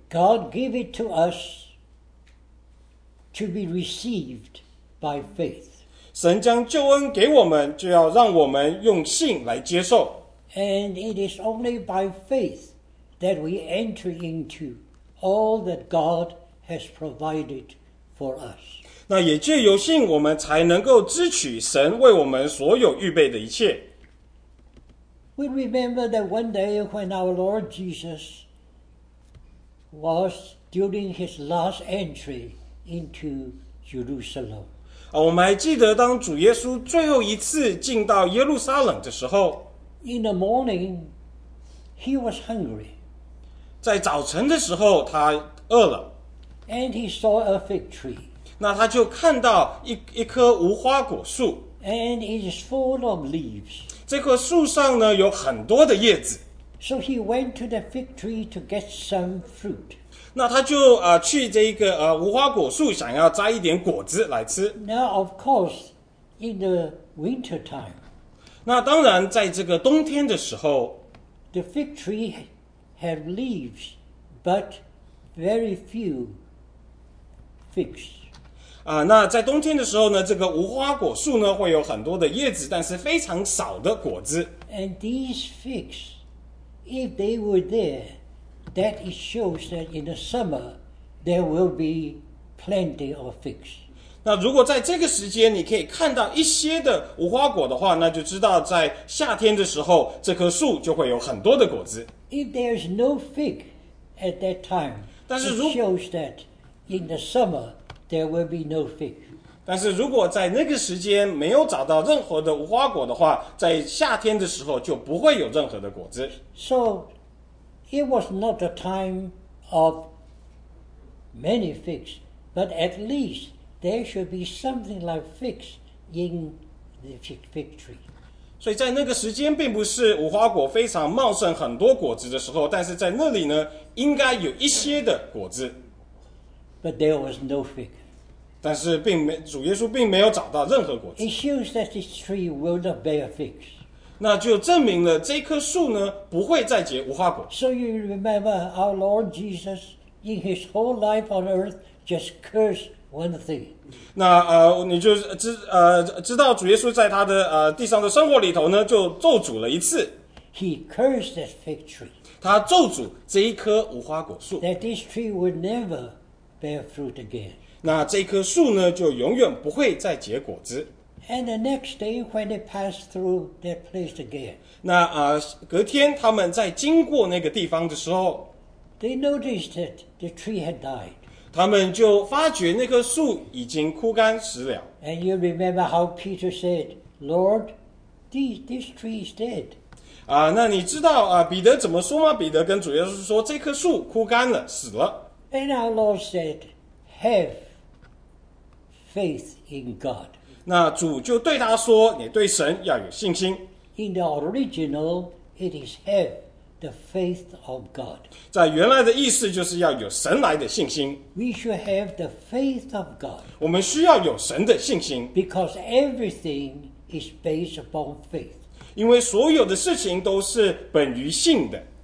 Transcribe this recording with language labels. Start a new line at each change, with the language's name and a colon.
English: God gave it to us to be received by faith.
Chinese: 神将救恩给我们，就要让我们用信来接受。
English: And it is only by faith that we enter into all that God has provided. For us.
Chinese: 那也借由信我们才能够支取神为我们所有预备的一切。
English: We remember that one day when our Lord Jesus was during his last entry into Jerusalem.
Chinese: 我们还记得当主耶稣最后一次进到耶路撒冷的时候。
English: In the morning, he was hungry.
Chinese: 在早晨的时候他饿了。
English: And he saw a fig tree.
Chinese: 那他就看到 一棵无花果树。
English: And it is full of leaves.
Chinese: 这棵树上呢有很多的叶子。
English: So he went to the fig tree to get some fruit.
Chinese: 那他就去这个无花果树想要摘一点果子来吃。
English: Now of course, in the winter time.
Chinese: 那当然在这个冬天的时候。
English: The fig tree had leaves, but very few. Figs.
Chinese: 那在冬天的时候呢，这个无花果树呢会有很多的叶子，但是非常少的果子。
English: And these figs, if they were there, that it shows that in the summer there will be plenty of figs.
Chinese: 那如果在这个时间你可以看到一些的无花果的话，那就知道在夏天的时候这棵树就会有很多的果子。
English: If there is no fig at that time,
Chinese: 但是如
English: it shows that in the summer. There will be no fig.
Chinese: 但是如果在那个时间没有找到任何的无花果的话，在夏天的时候就不会有任何的果子。
English: So, it was not a time of many figs, but at least there should be something like figs in the fig tree.
Chinese: 所以在那个时间并不是无花果非常茂盛很多果子的时候，但是在那里呢，应该有一些的果子。
English: But there was no fig.
Chinese: 但是并没主耶稣并没有找到任何果子。
English: It shows that this tree will not bear figs.
Chinese: 那就证明了这棵树呢不会再结无花果。
English: So you remember our Lord Jesus in his whole life on earth just cursed one thing.
Chinese: 那你就知道主耶稣在他的地上的生活里头呢就咒诅了一次。
English: He cursed that fig tree.
Chinese: 他咒诅这一棵无花果树。
English: That this tree would never. Bear fruit again.
Chinese: 那这棵树呢，就永远不会再结果子。
English: And the next day, when they passed through that place again,
Chinese: 那隔天他们在经过那个地方的时候
English: ，they noticed that the tree had died.
Chinese: 他们就发觉那棵树已经枯干死了。
English: And you remember how Peter said, "Lord, this tree is dead."
Chinese: 啊，那你知道啊，彼得怎么说吗？彼得跟主耶稣说，这棵树枯干了，死了。
English: And our Lord said, "Have faith in God."
Chinese: 那主就对他说，你对神要有信心。
English: In the original, it is have the faith of God.
Chinese: 在原来的意思就是要有神来的信心。
English: We should have the faith of God.
Chinese: 我们需要有神的信心。
English: Because everything is based upon faith.
Chinese: 因为所有的事情都是本于信的。